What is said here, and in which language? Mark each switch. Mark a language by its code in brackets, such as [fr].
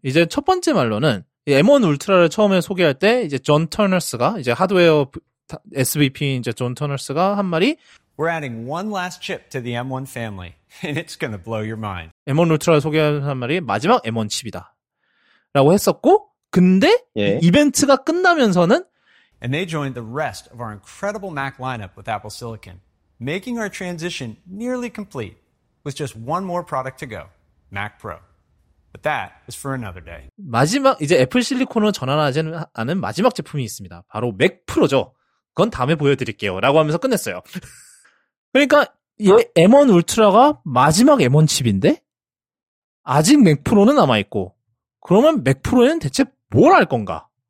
[ko] 이제 첫 번째 말로는 M1 울트라를 처음에 소개할 때 이제 존 터너스가 이제 하드웨어 SVP인 이제 존 터너스가 한 말이 [en] We're adding one last chip to the M1 family and it's going to blow your mind. [ko] M1 울트라를 소개하는 한 말이 마지막 M1 칩이다. 라고 했었고 근데 예. 이벤트가 끝나면서는 [en] And they joined the rest of our incredible Mac lineup with Apple Silicon. Making our transition nearly complete with just one more product to go, Mac Pro. But that is for another day. [ko] 마지막 이제 애플 실리콘으로 전환하지 않은 마지막 제품이 있습니다. 바로 맥 프로죠. 그건 다음에 보여드릴게요. 라고 하면서 끝냈어요. 그러니까 얘 M1 울트라가 마지막 M1 칩인데 아직 맥 프로는 남아있고 그러면 맥 프로에는 대체 뭘 할 건가?